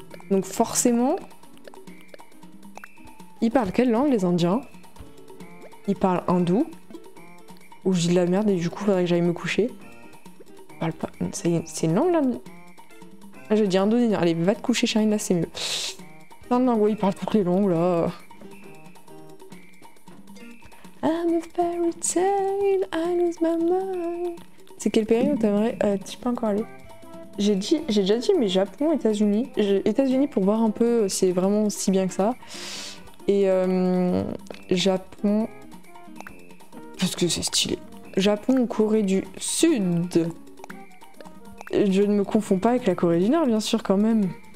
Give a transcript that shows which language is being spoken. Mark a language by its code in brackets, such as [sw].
[fr] Donc forcément, ils parlent quelle langue, les Indiens? Ils parlent hindou. Ou je dis de la merde et du coup, faudrait que j'aille me coucher. Ils parlent pas. C'est une langue, là. Je dis indonésien. Allez, va te coucher, Charine, là, c'est mieux. Non, non, ouais, ils parlent toutes les langues, là. [en] I'm a fairy tale, I lose my mind. [fr] C'est quel pays où t'aimerais. T'y peux encore aller. J'ai déjà dit, mais Japon, États-Unis. États-Unis pour voir un peu si c'est vraiment si bien que ça. Et Japon. Parce que c'est stylé. Japon ou Corée du Sud. Je ne me confonds pas avec la Corée du Nord, bien sûr, quand même.